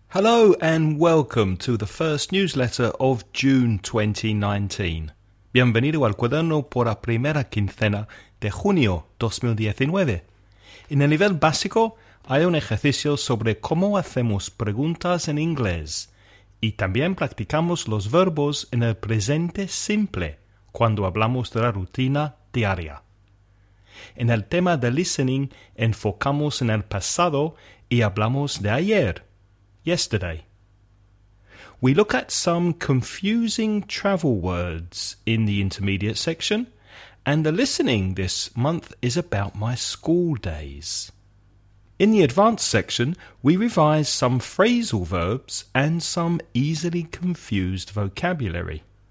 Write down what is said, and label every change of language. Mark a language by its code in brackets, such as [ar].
[en] Hello and welcome to the first newsletter of June 2019. [es] Bienvenido al cuaderno por la primera quincena de junio 2019. En el nivel básico hay un ejercicio sobre cómo hacemos preguntas en inglés y también practicamos los verbos en el presente simple cuando hablamos de la rutina diaria. En el tema de listening enfocamos en el pasado y hablamos de ayer. [en] Yesterday. We look at some confusing travel words in the intermediate section, and the listening this month is about my school days. In the advanced section, we revise some phrasal verbs and some easily confused vocabulary.